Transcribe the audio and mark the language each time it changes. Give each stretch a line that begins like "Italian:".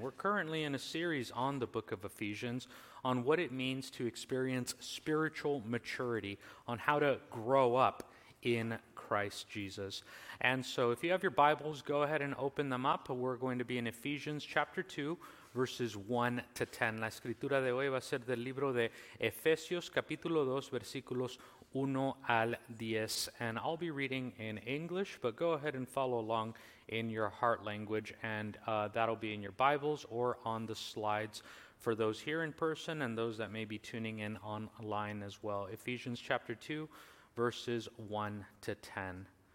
English: We're currently in a series on the book of Ephesians, on what it means to experience spiritual maturity, on how to grow up in Christ Jesus. And so if you have your Bibles, go ahead and open them up. We're going to be in Ephesians chapter 2, verses 1 to 10.
Spanish: La escritura de hoy va a ser del libro de Efesios, capítulo 2, versículos 1 al 10.
English: And I'll be reading in English, but go ahead and follow along in your heart language, and that'll be in your Bibles or on the slides for those here in person and those that may be tuning in online as well. Ephesians chapter 2, verses 1 to 10.